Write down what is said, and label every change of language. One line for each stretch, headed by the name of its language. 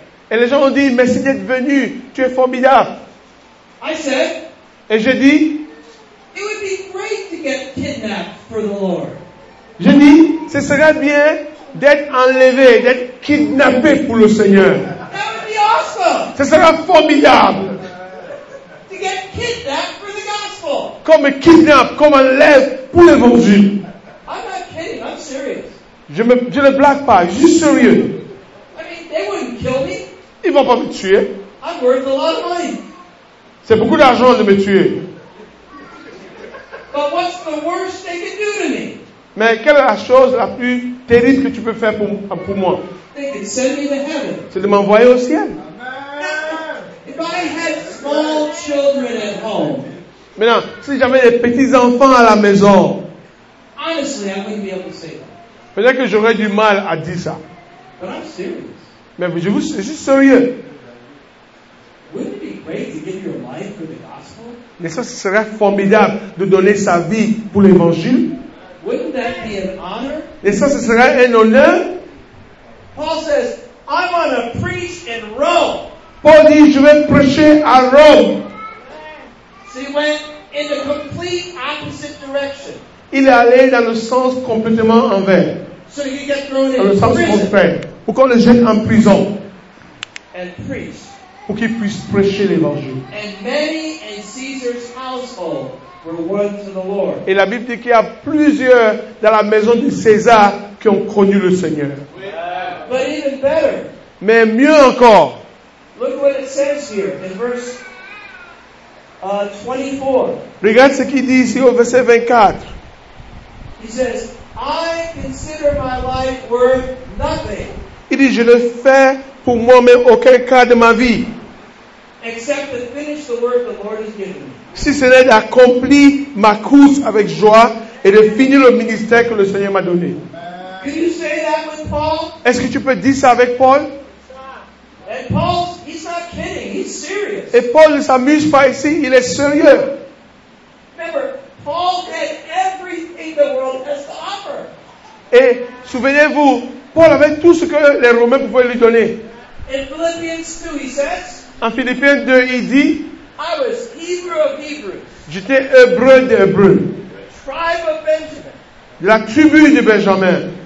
French: Et les gens ont dit, merci d'être venu, tu es formidable.
English: I said,
French: et j'ai dit,
English: it would be great to get kidnapped for the Lord.
French: J'ai dit, ce serait bien d'être enlevé, d'être kidnappé pour le Seigneur.
English: That would be awesome.
French: Ce serait formidable.
English: To get kidnapped for the gospel.
French: Comme kidnap, comme enlève pour l'évangile.
English: I'm not kidding, I'm serious.
French: Je ne blague pas, je suis sérieux.
English: They wouldn't kill me.
French: Ils ne vont pas me tuer.
English: I'm worth a lot of money.
French: C'est beaucoup d'argent de me tuer.
English: But what's the worst they can do to me?
French: Mais quelle est la chose la plus terrible que tu peux faire pour moi?
English: They can send me to heaven.
French: C'est de m'envoyer au ciel.
English: If I had small children at home,
French: maintenant, si j'avais des petits enfants à la maison,
English: honestly, I wouldn't be able to say that.
French: Peut-être que j'aurais du mal à dire ça.
English: But I'm serious.
French: Mais je vous je suis sérieux.
English: Wouldn't it be great to give your life for the gospel?
French: N'est-ce pas, ce serait formidable de donner sa vie pour l'évangile?
English: Wouldn't that be an honor?
French: N'est-ce pas, ce serait un honneur?
English: Paul says, I want to preach in Rome.
French: Paul dit, je vais prêcher à Rome.
English: See, when in the complete opposite direction.
French: Il est allé dans le sens complètement envers.
English: So you get thrown
French: dans le
English: in
French: sens
English: prison.
French: Contraire. Pour qu'on le jette en prison.
English: And preach.
French: Pour qu'il puisse prêcher l'évangile.
English: And many in Caesar's household were one to the Lord.
French: Et la Bible dit qu'il y a plusieurs dans la maison de César qui ont connu le Seigneur.
English: But even better.
French: Mais mieux encore.
English: Look what it says here in verse 24.
French: Regarde ce qu'il dit ici au verset 24.
English: He says, I consider my life worth nothing.
French: Il dit, je ne fais pour moi-même aucun cas de ma vie.
English: Except to finish the work the Lord has given me.
French: Si ce n'est d'accomplir ma course avec joie et de finir le ministère que le Seigneur m'a donné.
English: Can you say that with Paul?
French: Est-ce que tu peux dire ça avec Paul?
English: And Paul, he's not kidding, he's serious.
French: Et Paul ne s'amuse pas ici, il est sérieux.
English: Remember, Paul had everything the world has to offer.
French: Et souvenez-vous, Paul avait tout ce que les Romains pouvaient lui donner.
English: In Philippians 2, he says,
French: en Philippiens 2, il dit,
English: I was Hebrew of Hebrews.
French: J'étais Hébreu de Hébreu.
English: Tribe of Benjamin.
French: La tribu de Benjamin.